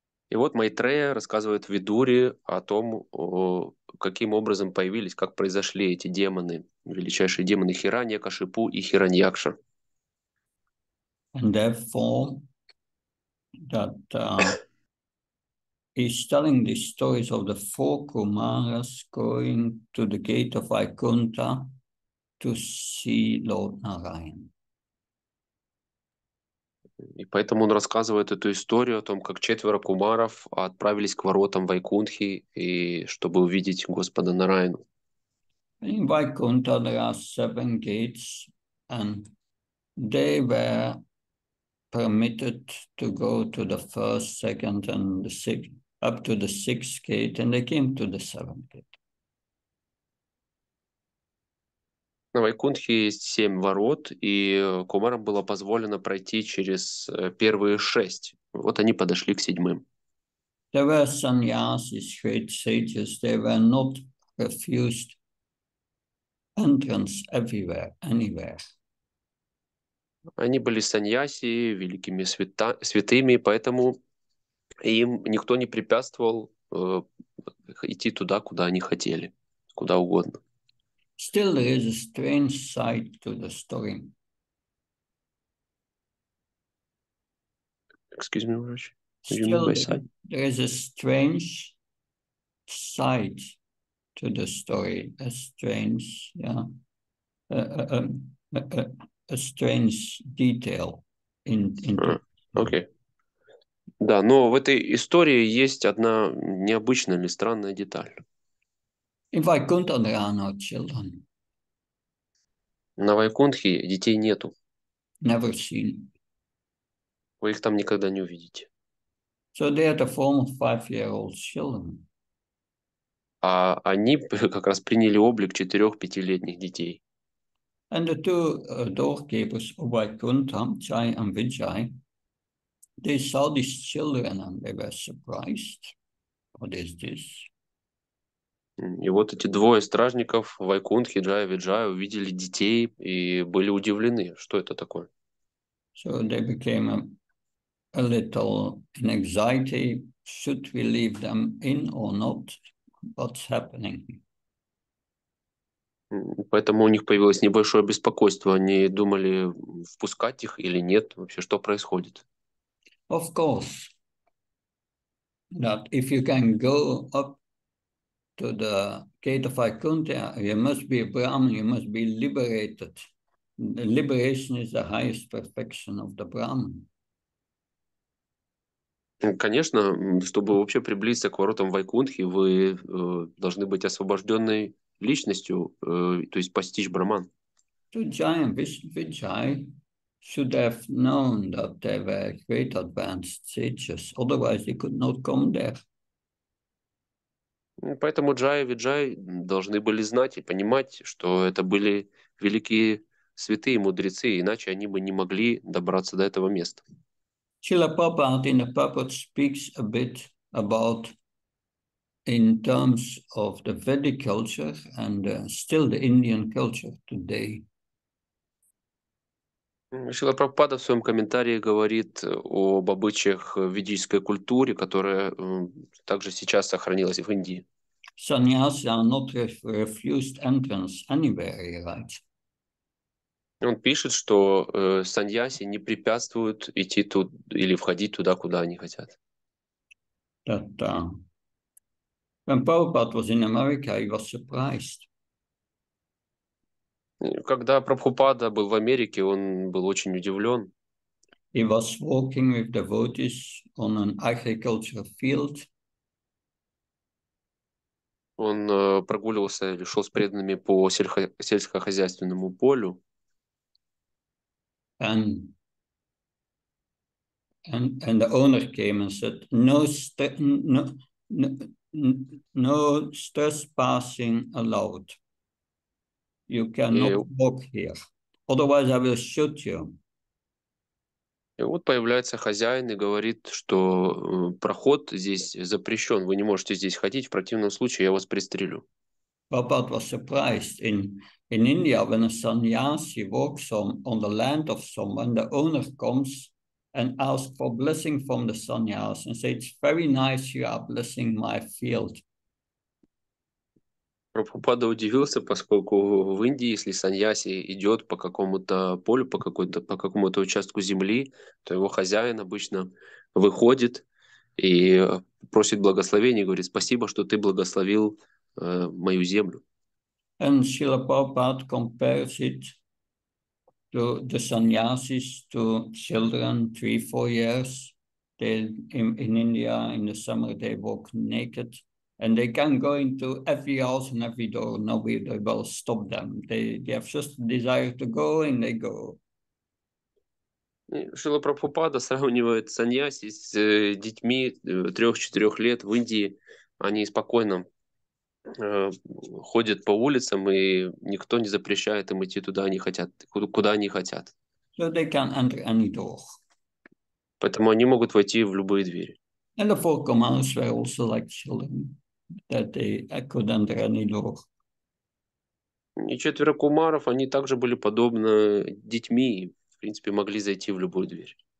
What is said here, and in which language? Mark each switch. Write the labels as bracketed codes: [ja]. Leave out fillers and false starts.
[ru] И вот Майтрея рассказывает Видуре о том, каким образом появились, как произошли эти демоны, величайшие демоны Хираньякашипу и Хираньякша. [en] And therefore, that he's telling the stories of the four Kumaras going to the gate of Vaikuntha to see Lord Narayan. [ru] И поэтому он рассказывает эту историю о том, как четверо кумаров отправились к воротам Вайкунтхи, и чтобы увидеть Господа Нараяну. [en] In Vaikuntha there are seven gates, and they were permitted to go to the first, second, and the sixth, up to the sixth gate, and they came to the seventh gate. [ru] На Вайкунтхе есть семь ворот, и кумарам было позволено пройти через первые шесть. Вот они подошли к седьмым. [en] There were sannyasis, great sages. They were not refused entrance everywhere, anywhere. [ru] Они были саньяси, великими святыми, поэтому им никто не препятствовал идти туда, куда они хотели, куда угодно. [en] Still, there is a strange side to the story. Excuse me, Raj. Still, there is a strange side to the story, a strange, a strange detail in the story. Okay. [ru] Да, но в этой истории есть одна необычная или странная деталь. На Вайкунтхе детей нету. [en] Never seen. [ru] Вы их там никогда не увидите. [en] So they are the former 5-year-old children. [ru] А они как раз приняли облик 4-5-летних детей. [en] And the two doorkeepers of Vaikuntha, Chai and Vijay, they saw these children and they were surprised. What is this? [ru] И вот эти двое стражников Вайкунтхи, Джая и Виджая, увидели детей и были удивлены, что это такое. [en] So they became a little in anxiety. Should we leave them in or not? What's happening? [ru] Поэтому у них появилось небольшое беспокойство. Они думали, впускать их или нет, вообще что происходит. [en] Of course, that if you can go up to the gate of Vaikuntha, you must be a Brahmin, you must be liberated. Liberation is the highest perfection of the Brahmin. [ru] Конечно, чтобы вообще приблизиться к воротам Вайкунтхи, вы должны быть освобожденной личностью, то есть постичь Брахман. [en] So Jai and Vijay should have known that they were great advanced teachers, otherwise they could not come there. [ru] Поэтому Джай и Виджай должны были знать и понимать, что это были великие святые мудрецы, иначе они бы не могли добраться до этого места. [en] Srila Prabhupada in the Purport speaks a bit about in terms of the Vedic culture and still the Indian culture today. [ru] Шрила Прабхупада в своем комментарии говорит об обычаях ведической культуры, которая также сейчас сохранилась в Индии. [en] Sannyasi are not refused entrance anywhere, he writes. [ru] Он пишет, что саньяси не препятствуют идти тут или входить туда, куда они хотят. [en] That, when Prabhupada was in America, he was surprised. [ru] Когда Прабхупада был в Америке, он был очень удивлен. [en] He was walking with devotees on an agricultural field. [ru] Он прогуливался или шел с преданными по сельскохозяйственному полю. [en] And the owner came and said, no trespassing allowed. You cannot walk here. Otherwise, I will shoot you. [ru] И вот появляется хозяин и говорит, что проход здесь запрещен. Вы не можете здесь ходить. В противном случае я вас пристрелю. [en] Prabhupada was surprised. In India, when a sannyasi walks on the land of someone, the owner comes and asks for blessing from the sannyasi and says, it's very nice you are blessing my field. [ru] Прабхупада удивился, поскольку в Индии, если саньяси идет по какому-то полю, по какому-то участку земли, то его хозяин обычно выходит и просит благословения, говорит, спасибо, что ты благословил мою землю. [en] And Srila Prabhupada compares it to the sannyasis to children 3-4 years. They in India in the summer they walk naked. And they can go into every house and every door. Nobody will stop them. They have just a desire to go and they go. [ru] Шрила Прабхупада сравнивает саньяси с детьми 3-4 лет в Индии. Они спокойно ходят по улицам, и никто не запрещает им идти туда, они хотят, куда они хотят. [en] So they can enter any door. [ru] Поэтому они могут войти в любые двери. [en] And the four commandments were also like children, that they could enter any door. [ru] И четверо кумаров, они также были подобны детьми, в принципе, могли зайти в любую дверь.